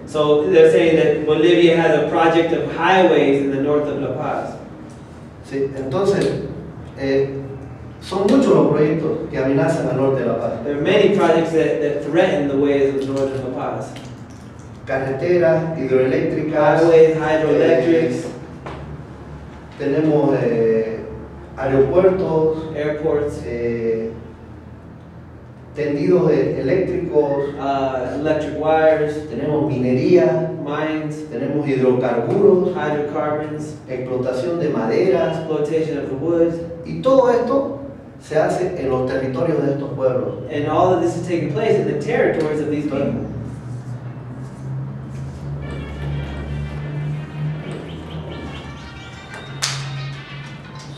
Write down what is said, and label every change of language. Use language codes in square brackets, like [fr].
[en] So they're saying that Bolivia has a project of highways in the north of La Paz. [es] Sí, entonces, son muchos los proyectos que amenazan al norte de La Paz. [en] There are many projects that threaten the ways of the north of La Paz. [es] Carreteras, hidroeléctricas. [en] Highways, hydroelectrics. [es] Tenemos aeropuertos. [en] Airports. [es] Tendidos eléctricos, [en] electric wires, [es] tenemos minería, [en] mines, [es] tenemos hidrocarburos, [en] hydrocarbons, [es] explotación de madera, [en] exploitation of the woods, [es] y todo esto se hace en los territorios de estos pueblos. [en] And all of this is taking place in the territories of these people.